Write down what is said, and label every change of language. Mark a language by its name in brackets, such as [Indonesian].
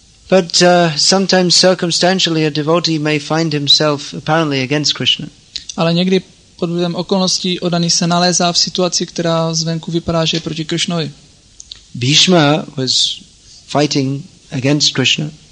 [English] But sometimes circumstantially a devotee may find himself apparently against Krishna. [Czech] Ale někdy pod vlivem okolností odaný se nalézá v situaci, která zvenku vypadá, že je proti Krishnovi. [English] Bhishma was fighting against Krishna.